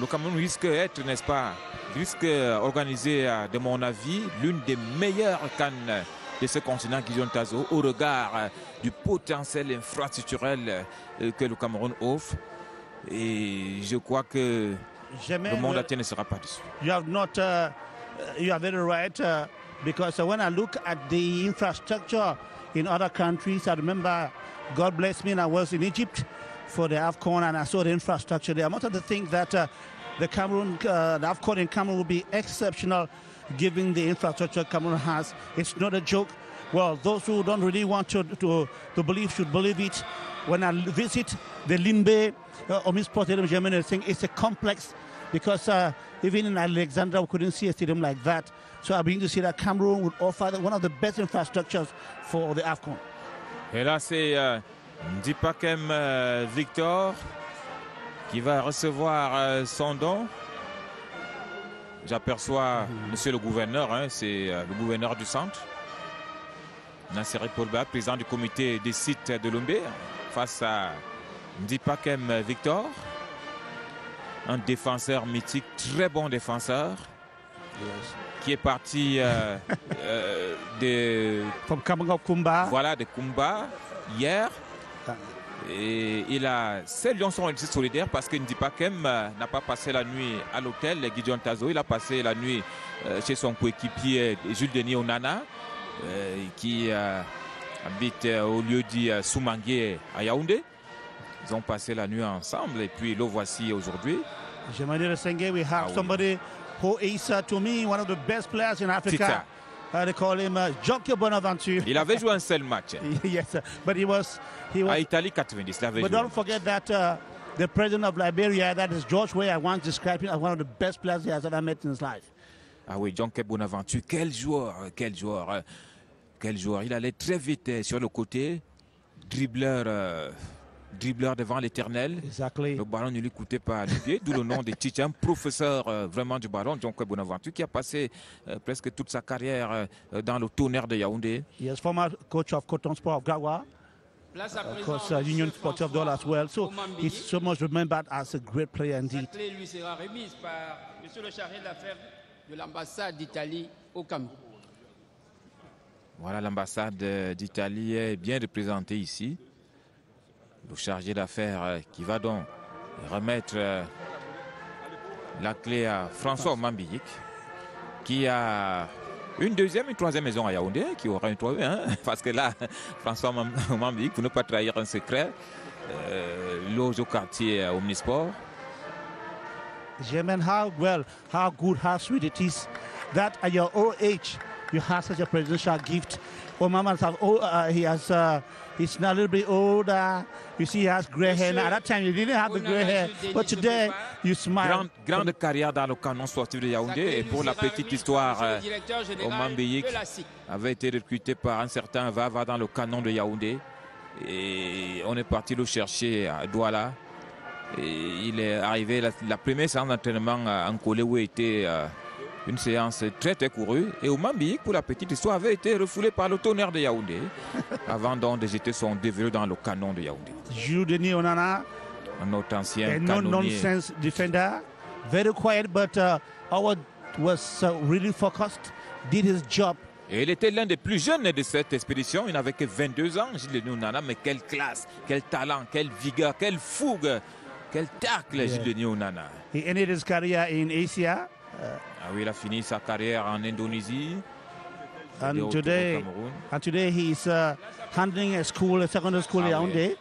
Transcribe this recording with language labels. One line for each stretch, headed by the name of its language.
French: Le Cameroun risque d'être, n'est-ce pas, risque d'organiser, de mon avis, l'une des meilleures CAN de ce continent, Guillaume Tazo, au regard du potentiel infrastructurel que le Cameroun offre. Et je crois que le monde entier ne sera pas dessus.
English: You are very right, because when I look at the infrastructure in other countries, I remember, God bless me, and I was in Egypt for the AFCON, and I saw the infrastructure there. Most of the things that the Cameroon, the AFCON in Cameroon will be exceptional, given the infrastructure Cameroon has. It's not a joke. Well, those who don't really want to believe should believe it. When I visit the Limbe, Omis Sports Stadium, Germany, I think it's a complex, because even in Alexandria, we couldn't see a stadium like that. So I begin to see that Cameroon would offer one of the best infrastructures for the AFCON.
French: Et là, c'est Dipakem Victor qui va recevoir son don. J'aperçois Monsieur le gouverneur, hein, c'est le gouverneur du centre. Nasseri Polba, président du comité des sites de Lumbé, face à Dipakem Victor. Un défenseur mythique, très bon défenseur. Yes. Qui est parti de Kumba hier. Et il a. Ces Lions sont aussi solidaires parce que Dipakem n'a pas passé la nuit à l'hôtel Guidon Tazo. Il a passé la nuit chez son coéquipier Jules Denis Onana, qui habite au lieu-dit Soumangué à Yaoundé. Ils ont passé la nuit ensemble et puis le voici aujourd'hui.
English: Jemani Resenge, we have somebody who is, to me, one of the best players in Africa. They call him Jockey Bonaventure.
French: Il avait joué un seul match.
English: Yes, but he was.
French: À Italie 90, il avait
English: joué. But don't forget that the president of Liberia, that is George Weah, I once described him as one of the best players he has ever met in his life.
French: Ah oui, Jockey Bonaventure, quel joueur. Il allait très vite sur le côté, dribbleur. Dribbleur devant l'éternel.
English: Exactly.
French: Le ballon ne lui coûtait pas les pieds, d'où le nom de Tite, un professeur vraiment du ballon, Jockey Bonaventure, qui a passé presque toute sa carrière dans le tonnerre de Yaoundé.
English: Yes, former coach of Coton Sport of Gawa. Of course, Union Sportive of Dole as well. So he's so much remembered as a great player indeed.
French: La clé lui sera remise par Monsieur le chargé d'affaires de l'ambassade d'Italie au Cameroun. Voilà, l'ambassade d'Italie est bien représentée ici. Le chargé d'affaires qui va donc remettre la clé à François Mambiyik, qui a une deuxième, une troisième maison à Yaoundé, qui aura une troisième, hein, parce que là, François Mambiyik, pour ne pas trahir un secret, loge au quartier Omnisport.
English: Jemen, how well, how good, how sweet it is that at your old age, you have such a presidential gift. He's now a little bit older. You see, he has gray Monsieur, hair. At that time, he didn't have the gray hair. But today, you smile.
French: Grande carrière dans le canon sportif de Yaoundé. Et pour la petite histoire, Oman Biyik avait été recruté par un certain Vava dans le canon de Yaoundé. Et on est parti le chercher à Douala. Et il est arrivé, la première séance d'entraînement en Colé où était une séance très très courue. Et Oman Biyik, pour la petite histoire, avait été refoulé par le tonnerre de Yaoundé avant donc de jeter son dévelu dans le canon de Yaoundé. Jules Denis Onana, un autre ancien canonnier. Un
English: non-nonsense defender. Very quiet, but Howard was really focused, did his job.
French: Et il était l'un des plus jeunes de cette expédition. Il n'avait que 22 ans, Jules Denis Onana. Mais quelle classe, quel talent, quelle vigueur, quelle fougue, quel tacle, yeah. Jules Denis Onana.
English: He ended his career in Asia.
French: Ah oui, il a fini sa carrière en Indonésie.
English: And today he is handling a school, a secondary school in Yaoundé.